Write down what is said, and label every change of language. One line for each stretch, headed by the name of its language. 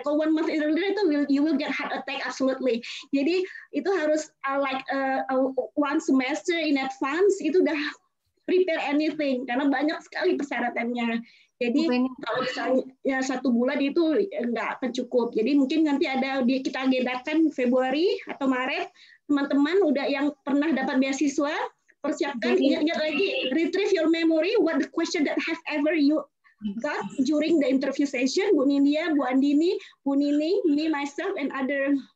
English: Kalau 1 month earlier itu you will get heart attack absolutely.
Indonesian: Jadi itu harus
English: one semester in advance
Indonesian: itu udah
English: prepare anything
Indonesian: karena banyak sekali persyaratannya. Jadi kalau misalnya satu bulan itu nggak tercukup. Jadi mungkin nanti ada kita agendakan Februari atau Maret teman-teman udah yang pernah dapat beasiswa. Persiapkan, ingat lagi,
English: retrieve your memory, what the question that have ever you got during the interview session, Bu Nindya, Bu Andini, Bu Nini, me, myself, and other